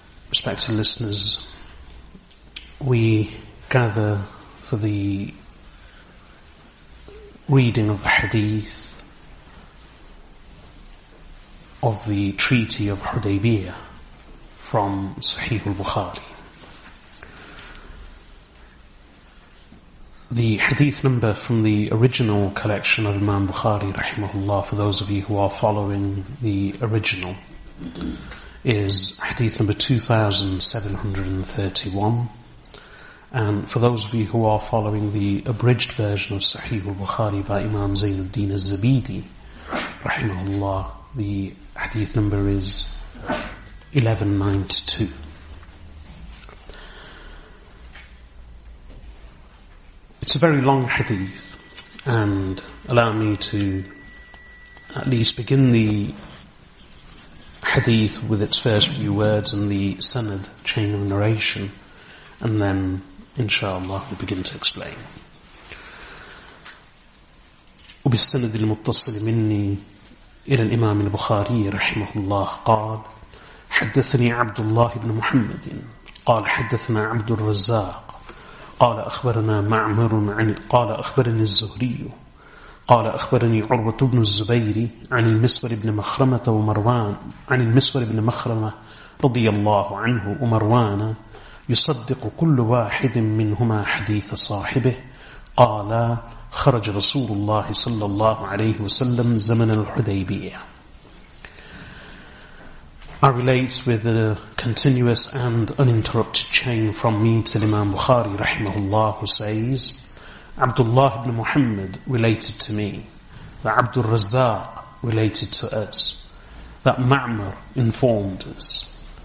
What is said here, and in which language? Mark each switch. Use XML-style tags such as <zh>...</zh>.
<en>Respected listeners, we gather for the reading of the hadith of the Treaty of Hudaybiyah from Sahih al-Bukhari. The hadith number from the original collection of Imam Bukhari, rahimahullah, for those of you who are following the original, is hadith number 2731, and for those of you who are following the abridged version of Sahih al-Bukhari by Imam Zain al-Din al-Zabidi rahimahullah, the hadith number is 1192. It's a very long hadith, and allow me to at least begin the hadith with its first few words and the sanad chain of narration, and then inshallah we'll begin to explain.</en> <ar>وبالسند المتصل مني إلى الإمام البخاري رحمه الله قال حدثني عبد الله بن محمد قال حدثنا عبد الرزاق قال أخبرنا معمر عن قال أخبرني الزهري قال أخبرني عروة بن الزبير عن المسور بن مخرمة ومروان عن المسور بن مخرمة رضي الله عنه ومروان يصدق كل واحد منهما حديث صاحبه قال خرج رسول الله صلى الله عليه وسلم زمن الحديبية.</ar> <en>I relate with a continuous and uninterrupted chain from me to Imam Bukhari رحمه الله, who says Abdullah ibn Muhammad related to me, that Abdul Razzaq related to us, that Ma'mar informed us.</en>